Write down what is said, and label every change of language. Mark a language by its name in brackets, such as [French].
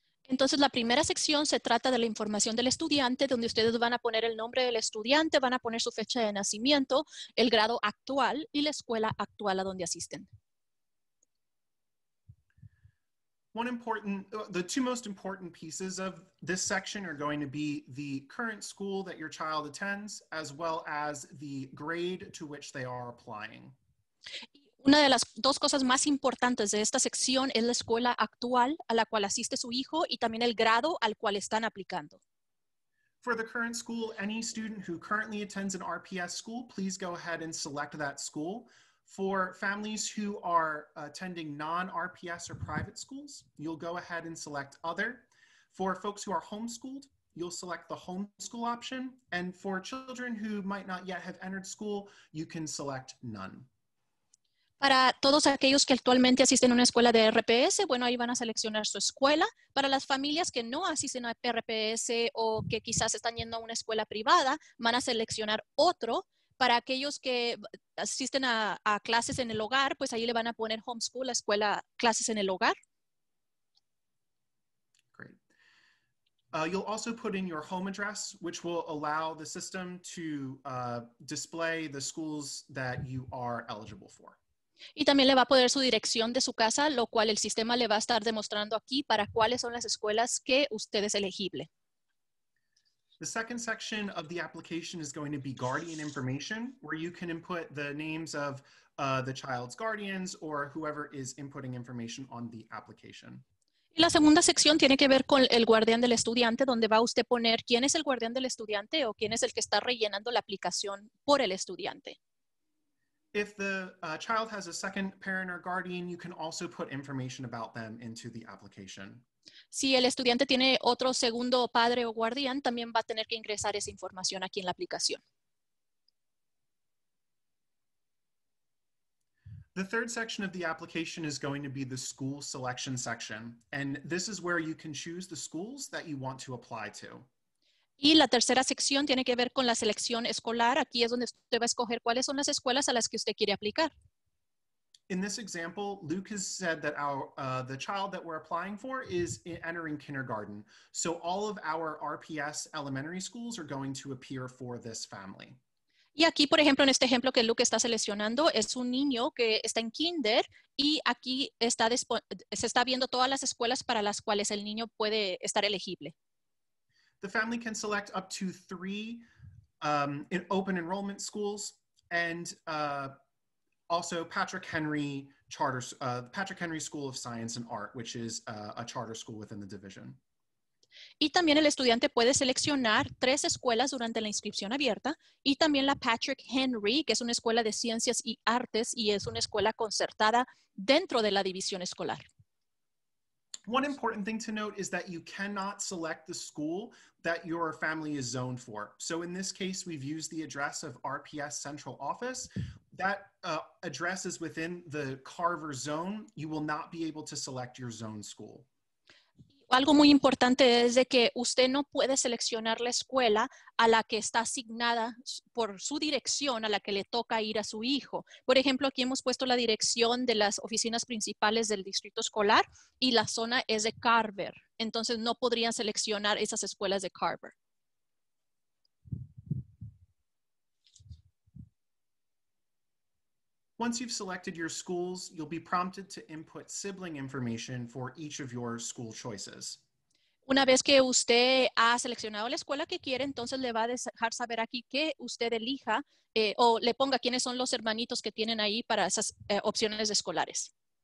[Spanish] Entonces, la primera sección se trata de la información del estudiante, donde ustedes van a poner el nombre del estudiante, van a poner su fecha de nacimiento, el grado actual y la escuela actual a donde asisten. [English] One important, the two most important pieces of this section are going to be the current school that your child attends, as well as the grade to which they are applying. [Spanish] Una de las dos cosas más importantes de esta sección es la escuela actual a la cual asiste su hijo y también el grado al cual están aplicando. [English] For the current school, any student who currently attends an RPS school, please go ahead and select that school. For families who are attending non-RPS or private schools, you'll go ahead and select other. For folks who are homeschooled, you'll select the homeschool option. And for children who might not yet have entered school, you can select none. [Spanish] Para todos aquellos que actualmente asisten a una escuela de RPS, bueno, ahí van a seleccionar su escuela. Para las familias que no asisten a RPS o que quizás están yendo a una escuela privada, van a seleccionar otro. Para aquellos que asisten a clases en el hogar, pues ahí le van a poner homeschool, la escuela, clases en el hogar. [English] You'll also put in your home address, which will allow the system to display the schools that you are eligible for. [Spanish] Y también le va a poner su dirección de su casa, lo cual el sistema le va a estar demostrando aquí para cuáles son las escuelas que usted es elegible. [English] The second section of the application is going to be guardian information, where you can input the names of the child's guardians or whoever is inputting information on the application. [Spanish] Y la segunda sección tiene que ver con el guardián del estudiante, donde va usted a poner quién es el guardián del estudiante o quién es el que está rellenando la aplicación por el estudiante. [English] If the child has a second parent or guardian, you can also put information about them into the application. [Spanish] Si el estudiante tiene otro segundo padre o guardián, también va a tener que ingresar esa información aquí en la aplicación. [English] The third section of the application is going to be the school selection section, and this is where you can choose the schools that you want to apply to. [Spanish] Y la tercera sección tiene que ver con la selección escolar. Aquí es donde usted va a escoger cuáles son las escuelas a las que usted quiere aplicar. [English] In this example, Luke has said that our, the child that we're applying for is entering kindergarten. So all of our RPS elementary schools are going to appear for this family. [Spanish] Y aquí, por ejemplo, en este ejemplo que Luke está seleccionando, es un niño que está en kinder y aquí está se está viendo todas las escuelas para las cuales el niño puede estar elegible. [English] the family can select up to three in open enrollment schools, and also Patrick Henry Charter, Patrick Henry School of Science and Art, which is a charter school within the division. [Spanish] Y también el estudiante puede seleccionar tres escuelas durante la inscripción abierta y también la Patrick Henry, que es una escuela de ciencias y artes y es una escuela concertada dentro de la división escolar. [English] One important thing to note is that you cannot select the school that your family is zoned for. So in this case, we've used the address of RPS Central Office. That address is within the Carver zone. You will not be able to select your zone school. [Spanish] Algo muy importante es de que usted no puede seleccionar la escuela a la que está asignada por su dirección, a la que le toca ir a su hijo. Por ejemplo, aquí hemos puesto la dirección de las oficinas principales del distrito escolar y la zona es de Carver. Entonces, no podrían seleccionar esas escuelas de Carver. [English] Once you've selected your schools, you'll be prompted to input sibling information for each of your school choices. [Spanish] Una vez que usted ha seleccionado la escuela que quiere, entonces le va a dejar saber aquí que usted elija o le ponga quiénes son los hermanitos que tienen ahí para esas opciones escolares.